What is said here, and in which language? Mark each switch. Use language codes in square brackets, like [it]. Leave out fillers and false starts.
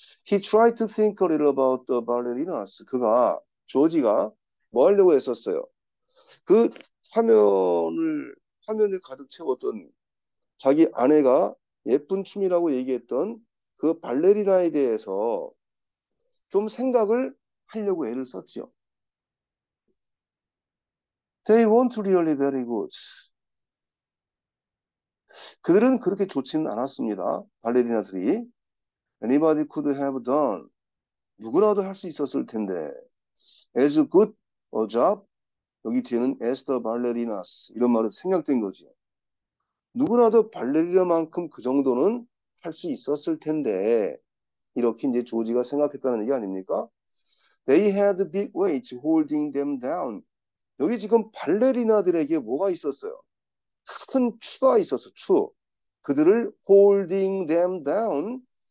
[en] He tried to think a little about the ballerinas. [ko] 그가, 조지가 뭐 하려고 했었어요? 그 화면을 가득 채웠던 자기 아내가 예쁜 춤이라고 얘기했던 그 발레리나에 대해서 좀 생각을 하려고 애를 썼죠. [en] They weren't really very good. [ko] 그들은 그렇게 좋지는 않았습니다. 발레리나들이. [en] Anybody could have done. [ko] 누구라도 할수 있었을 텐데. [en] As good a job. [ko] 여기 뒤에는 [en] as the ballerinas. [ko] 이런 말은 생략된 거지. 누구라도 발레리나만큼 그 정도는 할수 있었을 텐데. 이렇게 이제 조지가 생각했다는 얘기 아닙니까? [en] They had big weights holding them down. [ko] 여기 지금 발레리나들에게 뭐가 있었어요? 큰 추가 있었어, 추. [en] 그들을 holding them down.